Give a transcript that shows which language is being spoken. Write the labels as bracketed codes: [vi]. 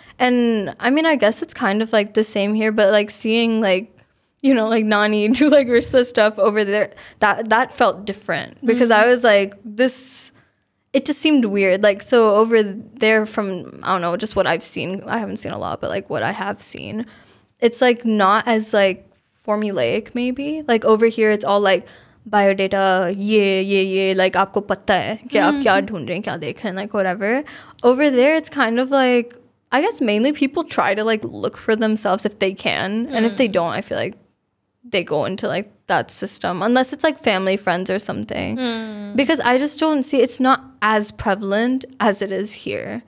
[en] And I mean, I guess it's kind of like the same here, but like seeing like, you know, like Nani do like rishta stuff over there, that felt different, because I was like, this, it just seemed weird. Like, so over there from, I don't know, just what I've seen, I haven't seen a lot, but like what I have seen, it's like not as like formulaic, maybe. Like over here, it's all like biodata, [ur] یہ, like آپکو پتا ہے کی آپ کیا ڈھونڈ رہے، کیا دیکھ رہے, like whatever. [en] Over there, it's kind of like, I guess mainly people try to like look for themselves if they can. And if they don't, I feel like they go into like that system, unless it's like family, friends or something. Because I just don't see, it's not as prevalent as it is here.